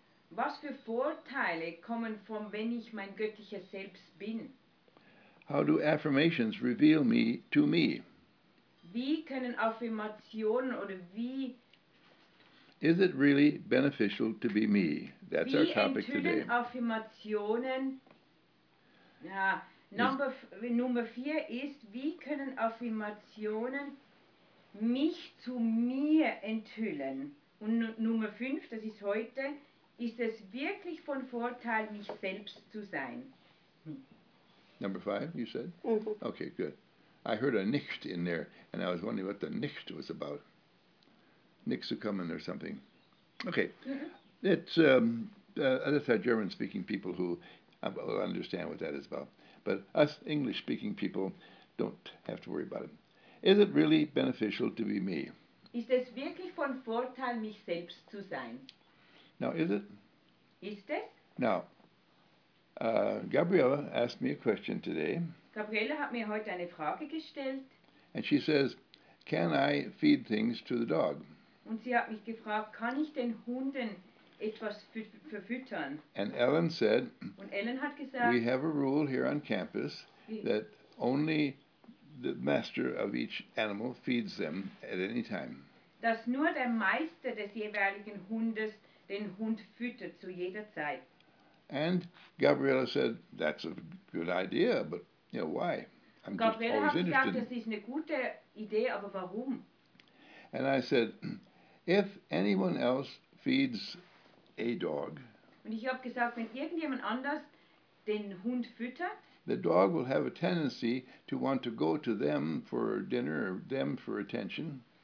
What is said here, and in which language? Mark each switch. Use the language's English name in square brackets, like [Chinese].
[German] Was für Vorteile kommen von, wenn ich mein göttliches Selbst bin? [English] How do affirmations reveal me to me? [German] Wie können Affirmationen oder wie... [English] Is it really beneficial to be me? That's [German] wie [English] our topic today. [German] Wie enthüllen Affirmationen... Ja, Nummer 4 ist, wie können Affirmationen mich zu mir enthüllen? Und Nummer 5, das ist heute, ist es wirklich von Vorteil, mich selbst zu sein? [English] Number 5, you said? Okay, good. I heard a nicht in there, and I was wondering what the nicht was about. [German] Nicht zu kommen [English] or something. Okay. Mm-hmm. It's, that's our German-speaking people who will understand what that is about. But us English-speaking people don't have to worry about it. Is it really beneficial to be me? [German] Ist es wirklich von Vorteil, mich selbst zu sein? [English] Now, is it? [German] Ist es? [English] Now, Gabriella asked me a question today. [German] Gabriella hat mir heute eine Frage gestellt. [English] And she says, can I feed things to the dog? [German] Und sie hat mich gefragt, kann ich den Hunden etwas verfüttern? [English] And Ellen said, [German] und Ellen hat gesagt, [English] we have a rule here on campus that only the master of each animal feeds them at any time. [German] Dass nur der Meister des jeweiligen Hundes den Hund füttert zu jeder Zeit. [English] And Gabriella said, that's a good idea, but you know, why? I'm Gabriella just always [German] hat gesagt, [English] interested. [German] Das ist eine gute Idee, aber warum? [English] And I said, if anyone else feeds a dog, [German] und ich habe gesagt, wenn irgendjemand anders den Hund füttert, [English] the dog will have a tendency to want to go to them for dinner or them for attention.